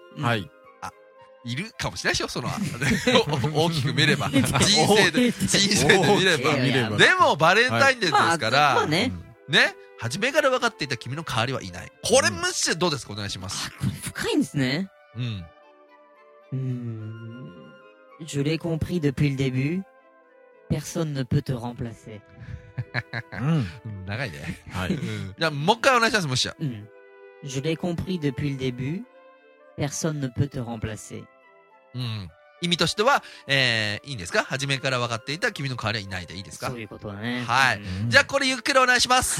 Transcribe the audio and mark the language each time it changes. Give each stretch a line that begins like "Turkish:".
Japanese: はい、あ、いるかもしれないでしょ、その、大きく見れば、人生で、人生で見れば、でも、バレンタインデーですから、はい、まあ、ね、うん、ね、初めから分かっていた君の代わりはいない。これ、むしろどうですか、お願いします。深いんですね。うん。
French: Je l'ai compris depuis le début, personne ne peut te remplacer.
Japanese: 長いね。はい、じゃあ、もう一回お願いします、むしろ。
French: うん、Je l'ai compris depuis le début. Personne ne peut te remplacer.
Japanese: うん。意味としては、いいんですか？初めから分かっていた君の代わりはいないでいいですか？そういうことだね。はい。じゃあこれゆっくりお願いします。